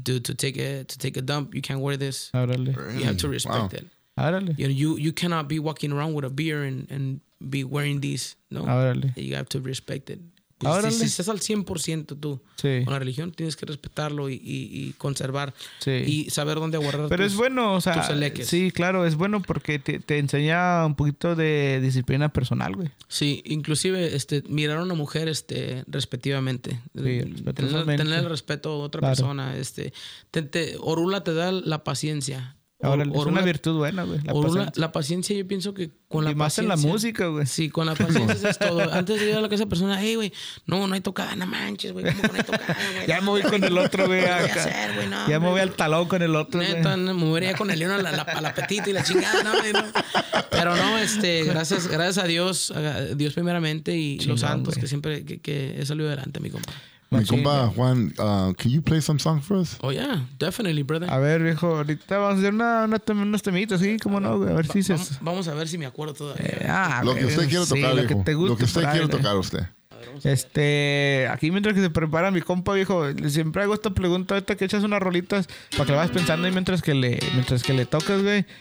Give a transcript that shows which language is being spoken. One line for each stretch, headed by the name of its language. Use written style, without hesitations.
English: Dude, to take a dump, you can't wear this. Really? You have to respect it. Really? You know, you cannot be walking around with a beer and be wearing these. No. Really? You have to respect it. Really?
Spanish: Si estás al 100% tú con la religión, tienes que respetarlo y conservar y saber dónde guardar. Pero es bueno, o sea, sí, claro, es bueno porque te enseña un poquito de disciplina personal, güey. Sí, inclusive mirar a una mujer respectivamente. Sí, tener el respeto a otra persona. Orula te da la paciencia. Es una virtud buena, güey. La paciencia, yo pienso que con la paciencia... Y más en la música, güey. Sí, con la paciencia es todo. Antes de ir a la casa de esa persona, hey, güey, no hay tocada, no manches, güey. ¿Cómo que no hay tocada, güey? Ya me voy con el otro, güey. ¿Qué voy a hacer, güey? No, ya me voy al talón con el otro, neta, güey. Neta, me movería con el león al apetito y la chingada, ¿no, güey? Pero no, gracias a Dios, Dios primeramente y los santos, güey. Que siempre que he salido adelante, mi compa. Mi compa
English: Juan, can you play some song for us? Oh yeah, definitely, brother.
Spanish: A ver, viejo, ahorita vamos a hacer unos temitas, ¿sí? ¿Cómo no? A ver si dices. Vamos a ver si me acuerdo todavía. Lo que usted quiere tocar, viejo. Lo que te gusta. Lo que usted quiere tocar, usted. Aquí mientras que se prepara mi compa, viejo, siempre hago esta pregunta, ahorita que echas unas rolitas para que la vayas pensando y mientras que le tocas, güey.